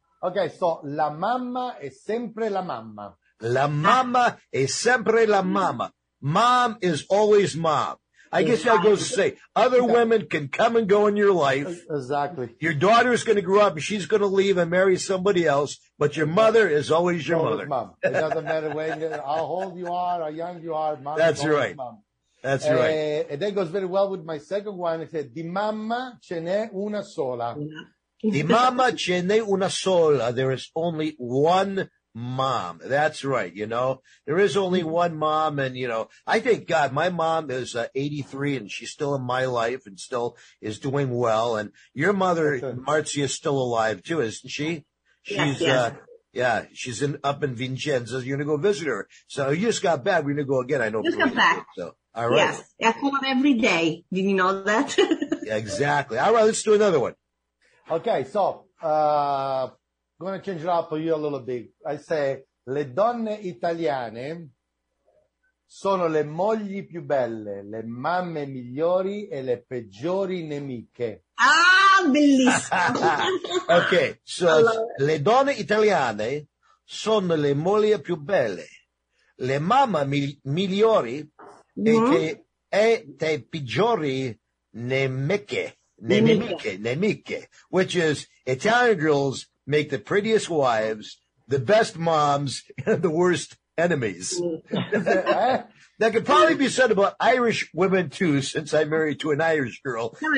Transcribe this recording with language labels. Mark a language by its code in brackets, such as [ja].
[it] Okay, so la mamma è sempre la mamma. La mamma è sempre la mamma. [en] Mom is always mom. I guess that goes to say, other women can come and go in your life. Exactly. Your daughter is going to grow up and she's going to leave and marry somebody else, but your mother is always your always Mom. It doesn't matter how old you are, how young you are, mom. That's is always right. Mom. That's right. And that goes very well with my second one. It said, [it] di mamma ce n'è una sola. Di mamma ce n'è una sola. [en] There is only one mom. That's right, you know. There is only one mom. And, you know, I thank God my mom is 83 and she's still in my life and still is doing well. And your mother, Marcia, is still alive too, isn't she? She's yes. Yeah, she's in up in Vincenza. You're going to go visit her. So you just got back. We're going to go again. I know. Just got back. So, all right. Yes, I call them every day. Did you know that? Yeah, exactly. All right, let's do another one. Okay, so I'm going to change it up for you a little bit. I say, [it] le donne italiane sono le mogli più belle, le mamme migliori e le peggiori nemiche. Ah, bellissimo. Okay, so le donne italiane sono le mogli più belle, le mamme migliori e te peggiori nemiche. Nemiche, [en] which is Italian girls make the prettiest wives, the best moms, and the worst enemies. That could probably be said about Irish women too, since I'm married to an Irish girl.